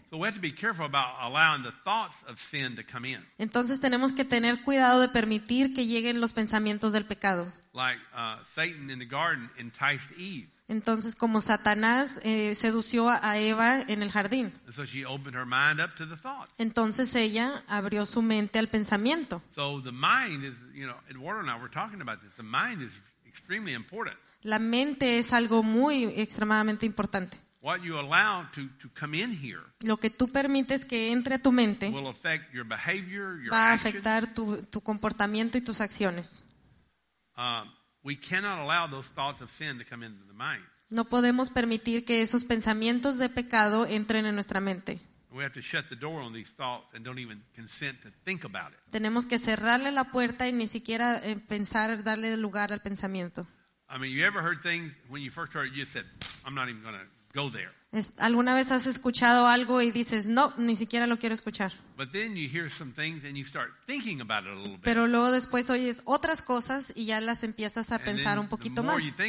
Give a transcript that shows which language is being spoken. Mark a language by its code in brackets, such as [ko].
[en] So we have to be careful about allowing the thoughts of sin to come in. [es] Entonces tenemos que tener cuidado de permitir que lleguen los pensamientos del pecado. [en] Like Satan in the garden enticed Eve. [es] Entonces, como Satanás sedució a Eva en el jardín. [en] So she opened her mind up to the thoughts. [es] Entonces ella abrió su mente al pensamiento. [en] So the mind is, you know, Eduardo and I were talking about this. The mind is extremely important. [es] La mente es algo muy extremadamente importante. [en] What you allow to come in here, [es] lo que tú permites que entre a tu mente, [en] will affect your behavior, your [es] va a afectar tu comportamiento y tus acciones. [en] We cannot allow those thoughts of sin to come into the mind. [es] No podemos permitir que esos pensamientos de pecado entren en nuestra mente. [en] We have to shut the door on these thoughts and don't even consent to think about it. [es] Tenemos que cerrarle la puerta y ni siquiera pensar darle lugar al pensamiento. [en] I mean, you ever heard things when you first heard it, you said, "I'm not even going to go there." [es] ¿Alguna vez has escuchado algo y dices, no, ni siquiera lo quiero escuchar? Pero luego después oyes otras cosas y ya las empiezas a pensar un poquito más.